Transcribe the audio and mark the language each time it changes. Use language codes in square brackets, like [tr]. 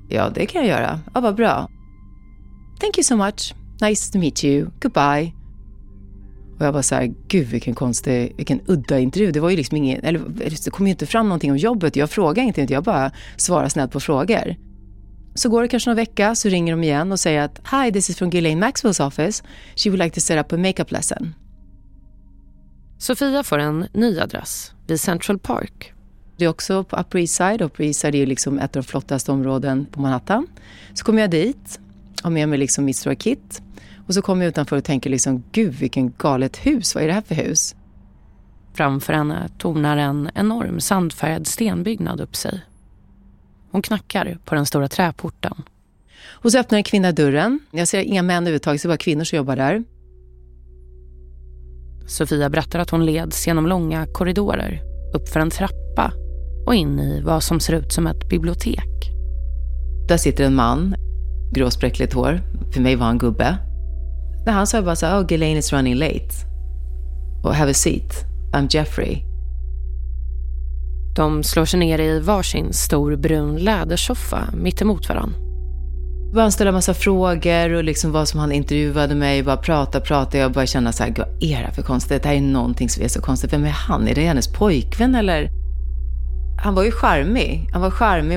[sv] Ja, det kan jag göra. Ja, vad bra. [en] Thank you so much. Nice to meet you. Goodbye. [sv] Och jag bara så här, gud vilken konstig, vilken udda intervju. Det var ju liksom ingen, eller det kom ju inte fram någonting om jobbet. Jag frågade inte, jag bara svarade snällt på frågor. Så går det kanske någon vecka, så ringer de igen och säger att [en] hi, this is from Ghislaine Maxwell's office. She would like to set up a makeup lesson. [sv] Sofia får en ny adress vid Central Park. Det är också på Upper East Side. Upper East Side är ju liksom ett av de flottaste områden på Manhattan. Så kommer jag dit och med mig liksom mitt stora kit. Och så kommer jag utanför och tänker liksom, gud vilken galet hus, vad är det här för hus? Framför henne tornar en enorm sandfärgad stenbyggnad upp sig. Hon knackar på den stora träporten. Och så öppnar en kvinna dörren. Jag ser inga män överhuvudtaget, så bara kvinnor som jobbar där. Sofia berättar att hon leds genom långa korridorer, uppför en trappa och in i vad som ser ut som ett bibliotek. Där sitter en man, gråspräckligt hår. För mig var han gubbe. När han sa bara så här, [en] oh, Ghislaine is running late. Oh, have a seat, I'm Jeffrey. [sv] De slår sig ner i varsin stor brun lädersoffa mitt emot varann. Han ställer en massa frågor och liksom vad som han intervjuade mig. Bara pratar. Jag bara känner så här, vad är det för konstigt? Det här är någonting som är så konstigt. Vem är han? Är det hennes pojkvän eller? Han var ju charmig. Han var charmig.